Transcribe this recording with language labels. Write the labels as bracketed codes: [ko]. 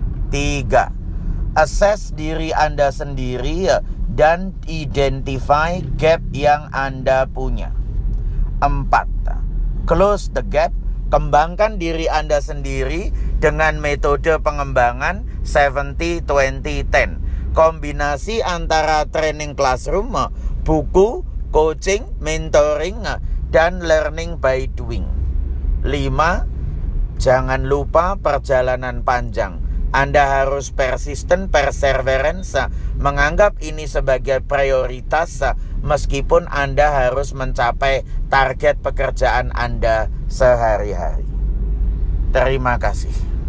[id] Tiga, assess diri Anda sendiri dan identify gap yang Anda punya. 4. [en] Close the gap. [id] Kembangkan diri Anda sendiri dengan metode pengembangan 70-20-10. Kombinasi antara training classroom, buku, coaching, mentoring, dan learning by doing. 5. Jangan lupa perjalanan panjang. Anda harus persisten, perseverance, menganggap ini sebagai prioritas meskipun Anda harus mencapai target pekerjaan Anda sehari-hari. Terima kasih.